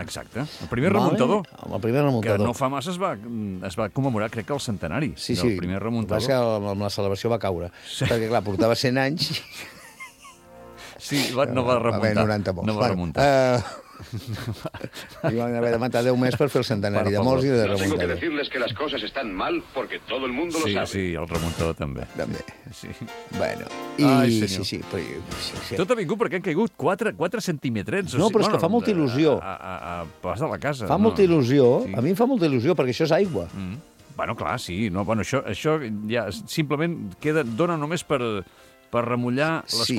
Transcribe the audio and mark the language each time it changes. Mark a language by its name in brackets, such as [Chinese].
[Catalan] Exacte. El primer remuntador. Que no fa massa es va commemorar, crec que el centenari. Sí. El primer remuntador. Va ser amb la celebració va caure. Sí. Perquè, clar, portava 100 anys. Sí, no va remuntar. Va haver 90 morts. No va remuntar. I van haver de matar 10 més per fer el centenari de morts i de remuntar. [Spanish] No tengo que decirles que las cosas están mal porque todo el mundo sí, lo sabe. [Catalan] Sí, el remuntador també. També. Sí. Bueno. Sí. Tot ha vingut perquè han caigut 4 centimetrets. No, però és que fa molta il·lusió. A pas de la casa. Fa molta il·lusió. Sí. A mi em fa molta il·lusió perquè això és aigua. Bueno, clar, sí. No, bueno, això ja simplement queda, dona només per remullar les sí.